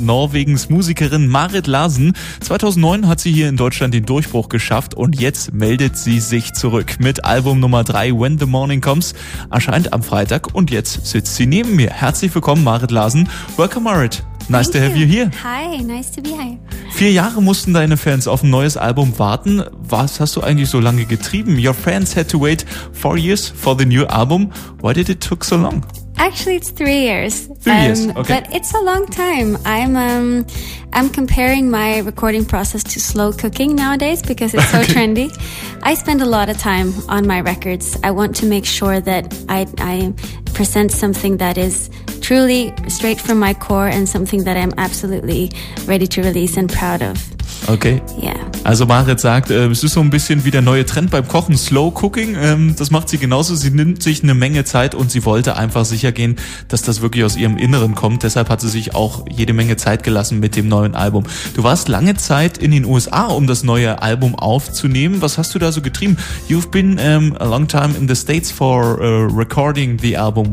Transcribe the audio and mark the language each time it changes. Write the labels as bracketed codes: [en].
[de] Norwegens Musikerin Marit Larsen. 2009 hat sie hier in Deutschland den Durchbruch geschafft und jetzt meldet sie sich zurück mit Album Nummer 3 When the Morning Comes. Erscheint am Freitag und jetzt sitzt sie neben mir. Herzlich willkommen, [en] Marit Larsen. Welcome, Marit. Nice to have you here. Hi, nice to be here. [de] 4 Jahre mussten deine Fans auf ein neues Album warten. Was hast du eigentlich so lange getrieben? [en] Your fans had to wait 4 years for the new album. Why did it took so long? Actually, it's 3 years. Three years, okay. But it's a long time. I'm comparing my recording process to slow cooking nowadays because it's so trendy. I spend a lot of time on my records. I want to make sure that I present something that is truly straight from my core and something that I'm absolutely ready to release and proud of. Okay. Yeah. [de] Also Marit sagt, es ist so ein bisschen wie der neue Trend beim Kochen, Slow Cooking. Das macht sie genauso. Sie nimmt sich eine Menge Zeit und sie wollte einfach sicher gehen, dass das wirklich aus ihrem Inneren kommt. Deshalb hat sie sich auch jede Menge Zeit gelassen mit dem neuen Album. Du warst lange Zeit in den USA, um das neue Album aufzunehmen. Was hast du da so getrieben? [en] You've been a long time in the States for recording the album.